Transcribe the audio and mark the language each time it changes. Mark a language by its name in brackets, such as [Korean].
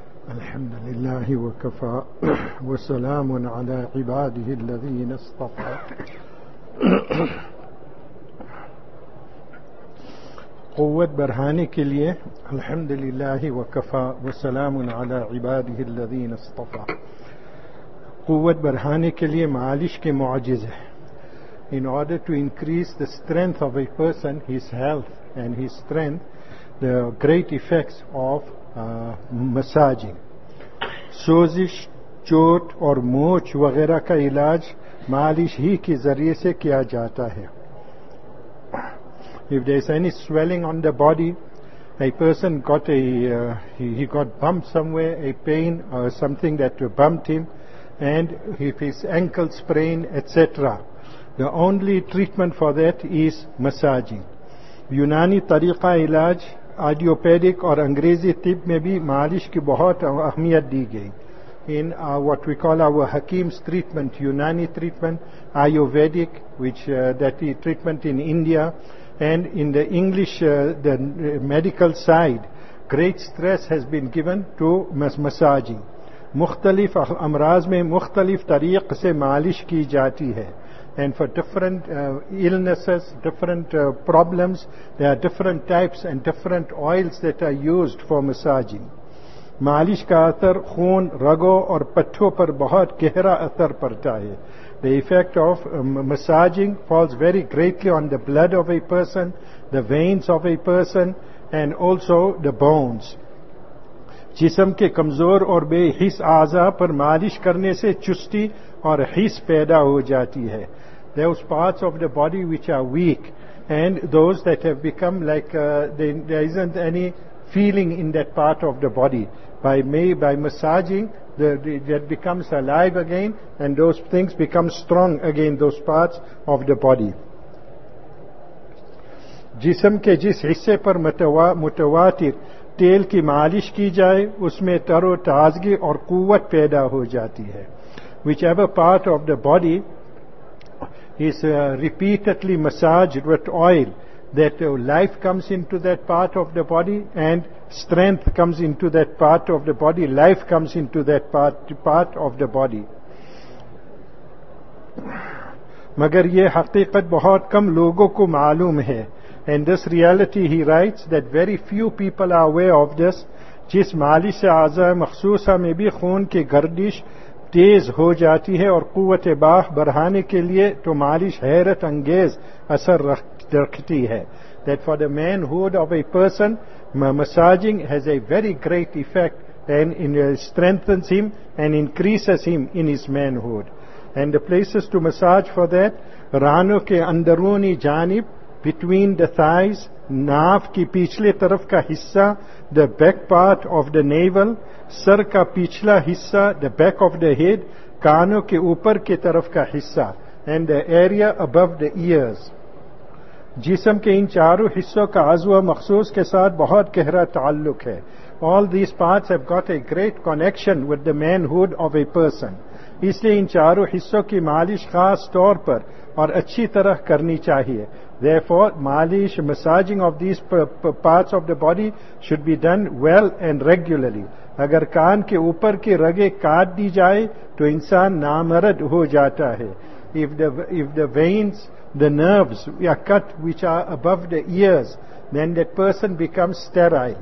[Arabic] الحمد لله وكفى وسلام على عباده الذين اصطفى. [Urdu] قوت برهانے کے لیے [Arabic] الحمد للہ وکفا وسلام علی عباده الذین اصطفى. [Urdu] قوت برہانے کے لیے معالش کے معجزے. [English] In order to increase the strength of a person, his health and his strength, the great effects of massaging. [Urdu] سوزش، چوٹ اور موچ وغیرہ کا علاج معالش ہی کے ذریعے سے کیا جاتا ہے. [English] If there is any swelling on the body, a person got he got bumped somewhere, a pain or something that bumped him, and if his ankle sprained, etc., the only treatment for that is massaging. [Urdu] یونانی طریقہ علاج، آئیوپیڈک اور انگریزی طب میں بھی مالش کی بہت اہمیت دی گئی. [English] In what we call our Hakim's treatment, Unani treatment, Ayurvedic, which that is treatment in India. And in the English, the medical side, great stress has been given to massaging. [Urdu] مختلف امراض میں مختلف طریق سے مالش کی جاتی ہے. [English] And for different illnesses, different problems, there are different types and different oils that are used for massaging. [Urdu] مالش کا اثر خون، رگوں اور پٹھوں پر بہت گہرا اثر پڑتا ہے. [English] The effect of massaging falls very greatly on the blood of a person, the veins of a person, and also the bones. [Urdu] جسم کے کمزور اور بے حس اعضاء پر مالش کرنے سے چستی اور حس پیدا ہو جاتی ہے. [English] Those parts of the body which are weak, and those that have become like there isn't any feeling in that part of the body, by massaging, that becomes alive again, and those things become strong again, those parts of the body. [Urdu] جسم کے جس حصے پر متواتر تیل کی مالش کی جائے اس میں تر و تازگی اور قوت پیدا ہو جاتی ہے. [English] Whichever part of the body is repeatedly massaged with oil, that life comes into that part of the body and strength comes into that part of the body, life comes into that part of the body. [Urdu] مگر یہ حقیقت بہت کم لوگوں کو معلوم ہے. [English] And this reality, he writes, that very few people are aware of this. [Urdu] جس مالش سے اعضاء مخصوصہ میں بھی خون کی گردش تیز ہو جاتی ہے اور قوت باہ بڑھانے کے لیے تو مالش حیرت انگیز اثر رکھتی ہے. [English] That for the manhood of a person, massaging has a very great effect and strengthens him and increases him in his manhood. And the places to massage for that, [Urdu] رانوں کے اندرونی جانب, [English] between the thighs, [Urdu] ناف کی پچھلے طرف کا حصہ, [English] the back part of the navel, [Urdu] سر کا پچھلا حصہ, [English] the back of the head, [Urdu] کانوں کے اوپر کی طرف کا حصہ, [English] and the area above the ears. [Urdu] جسم کے ان چاروں حصوں کا عضو مخصوص کے ساتھ بہت گہرا تعلق ہے. [English] All these parts have got a great connection with the manhood of a person. [Urdu] اس لیے ان چاروں حصوں کی مالش خاص طور پر اور اچھی طرح کرنی چاہیے. [English] Therefore, malish, massaging of these parts of the body should be done well and regularly. [Urdu] اگر کان کے اوپر کی رگے کاٹ دی جائے تو انسان نامرد ہو جاتا ہے. [English] If the veins, the nerves are cut which are above the ears, then that person becomes sterile.